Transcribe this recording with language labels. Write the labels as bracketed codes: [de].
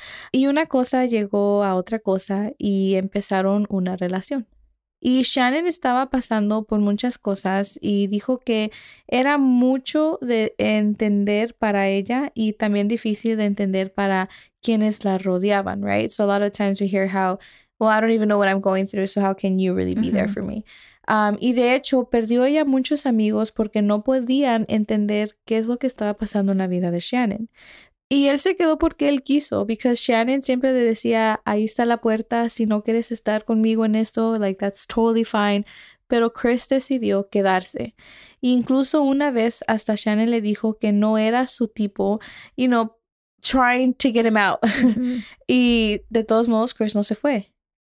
[es] Y una cosa llegó a otra cosa y empezaron una relación. Y Shannon estaba pasando por muchas cosas y dijo que era mucho de entender para ella y también difícil de entender para quienes la rodeaban, [en] right? So a lot of times we hear how, well, I don't even know what I'm going through, so how can you really be there for me? [es] Y de hecho, perdió ella muchos amigos porque no podían entender qué es lo que estaba pasando en la vida de Shannon. Y él se quedó porque él quiso, [en] because [es] Shannon siempre le decía, ahí está la puerta, si no quieres estar conmigo en esto, [en] like, that's totally fine. [es] Pero Chris decidió quedarse. E incluso una vez hasta Shannon le dijo que no era su tipo, [en] you know, trying to get him out. [es] Y de todos modos, Chris no se fue.